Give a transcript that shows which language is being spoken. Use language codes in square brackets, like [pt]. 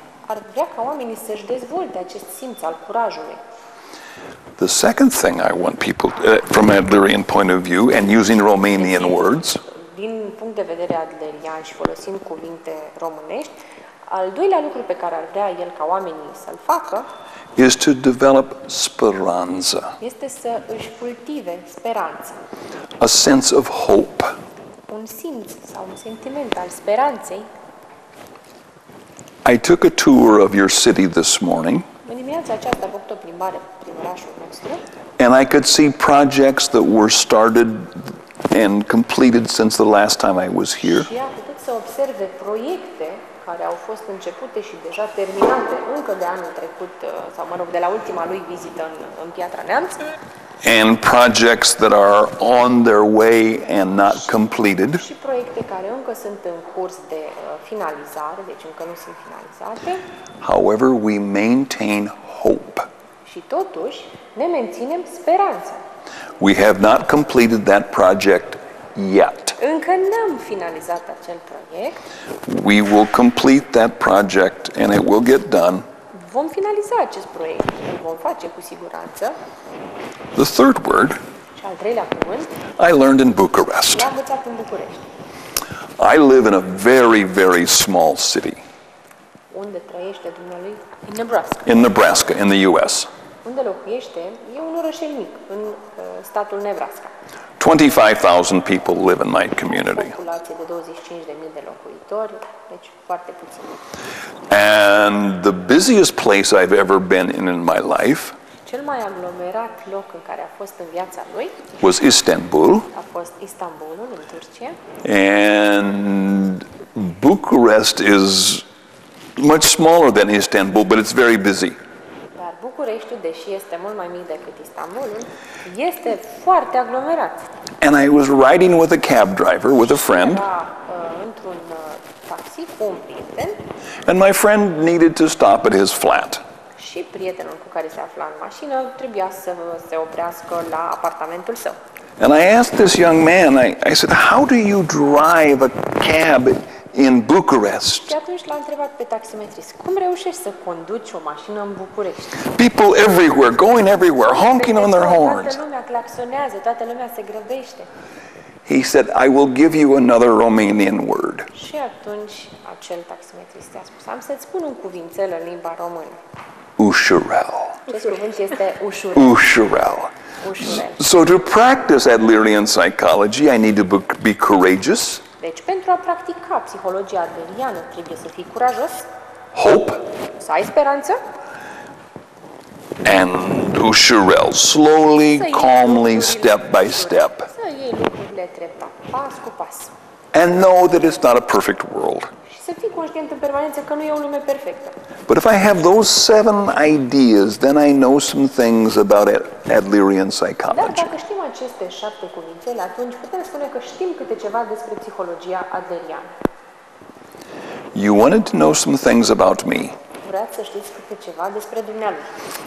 [ro] Ar vrea ca oamenii să-și dezvolte acest simț al curajului. [en] The second thing I want people from Adlerian point of view and using Romanian words. [ro] Din punct de vedere adlerian și folosind cuvinte românești, al doilea lucru pe care ar vrea el ca oamenii să-l facă [en] is to develop speranza. [ro] Este să își cultive speranța. [en] A sense of hope. [ro] Un simț sau un sentiment al speranței. [en] I took a tour of your city this morning. [ro] În dimineața aceasta am făcut o plimbare prin orașul nostru. [en] And I could see projects that were started and completed since the last time I was here. [ro] Și am putut să observ proiecte care au fost începute și deja terminate încă de anul trecut sau mă rog de la ultima lui vizită în Piatra Neamț. [en] And projects that are on their way and not completed. [ro] Și proiecte care încă sunt în curs de finalizare, deci încă nu sunt finalizate. [en] However, we maintain hope. [ro] Și totuși ne menținem speranța. [en] We have not completed that project yet. [ro] Încă n-am finalizat acel proiect. [en] We will complete that project and it will get done. [ro] Vom finaliza acest proiect, îl vom face cu siguranță. [en] The third word. [ro] Și al treilea cuvânt. [en] I learned in Bucharest. [ro] L-am învățat în București. [en] I live in a very, very small city. [ro] Unde trăiește dumnealui? [en] In Nebraska. In Nebraska, in the US. [ro] Unde locuiește? E un orășel mic, în statul Nebraska. [en] 25,000 people live in my community. [ro] Populație de 25,000 de locuitori, deci foarte puțin. [en] And the busiest place I've ever been in my life. [ro] Cel mai aglomerat loc în care a fost în viața lui. [en] Was Istanbul. [ro] A fost Istanbulul în Turcia. [en] And Bucharest is much smaller than Istanbul, but it's very busy. [ro] București, deși este mult mai mic decât Istanbulul, este foarte aglomerat. [en] And I was riding with a cab driver, with a friend. [ro] Într-un taxi cu un prieten. [en] And my friend needed to stop at his flat. [ro] Și prietenul cu care se afla în mașină trebuia să se oprească la apartamentul său. [en] And I asked this young man, I said, how do you drive a cab in Bucharest? [ro] Și atunci l-a întrebat pe taximetrist, cum reușești să conduci o mașină în București? [en] People everywhere, going everywhere, honking on their horns. [ro] Toată lumea claxonează, toată lumea se grăbește. [en] He said, I will give you another Romanian word. [ro] Și atunci acel taximetrist i-a spus, am să-ți spun un cuvințel în limba română. ușurel. Acest cuvânt este ușurel. [en] Ușurel. So to practice Adlerian psychology, I need to be courageous. [ro] Deci, pentru a practica psihologia adleriană, trebuie să fii curajos. [en] Hope. [ro] Să ai speranță. [en] And ușurel. Slowly, calmly, step by step. [ro] Să iei lucrurile treptat, pas cu pas. [en] And know that it's not a perfect world. [ro] Să fii conștient în permanență că nu e o lume perfectă. [en] But if I have those seven ideas, then I know some things about Adlerian psychology. [ro] Dar dacă știm aceste șapte cuvințele, atunci putem spune că știm câte ceva despre psihologia adleriană. [en] You wanted to know some things about me. [ro] Vreau să știți câte ceva despre dumneavoastră.